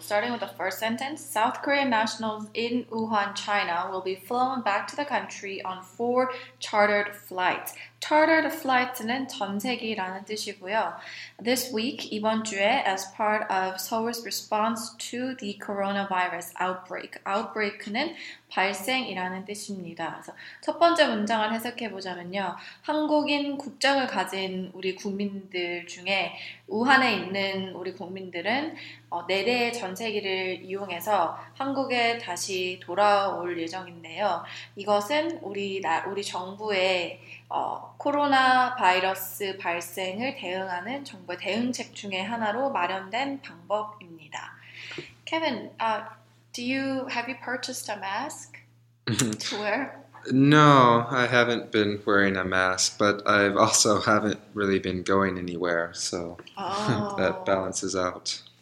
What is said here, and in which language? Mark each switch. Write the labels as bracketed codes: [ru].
[en] Starting with the first sentence, South Korean nationals in Wuhan, China will be flown back to the country on four chartered flights. Chartered flights는 [ko] 전세기라는 뜻이고요. [en] This week, [ko] 이번 주에, [en] as part of Seoul's response to the coronavirus outbreak. [ko] Outbreak는 발생이라는 뜻입니다. 그래서 첫 번째 문장을 해석해보자면요. 한국인 국적을 가진 우리 국민들 중에 우한에 있는 우리 국민들은 4대의 전세기를 이용해서 한국에 다시 돌아올 예정인데요. 이것은 우리 정부의 코로나 바이러스 발생을 대응하는 정부의 대응책 중에 하나로 마련된 방법입니다. [en] Kevin, have you purchased a mask to wear? No, I haven't been wearing a mask, but I also haven't really been going anywhere, so that balances out.